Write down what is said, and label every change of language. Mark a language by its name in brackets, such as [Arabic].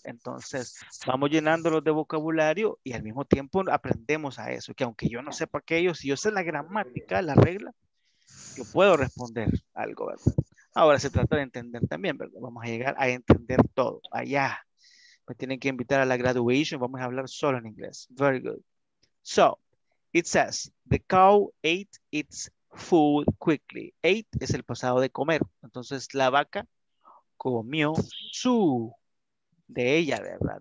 [Spanish] Entonces, vamos llenándolos de vocabulario y al mismo tiempo aprendemos a eso, que aunque yo no sepa aquello, si yo sé la gramática, la regla, yo puedo responder algo, ¿verdad? Ahora se trata de entender también, ¿verdad? Vamos a llegar a entender todo, allá. Me tienen que invitar a la graduation, vamos a hablar solo en inglés. [English] Very good. So, it says, the cow ate its food quickly. [Spanish] Ate es el pasado de comer. Entonces, la vaca comió su, de ella, ¿verdad?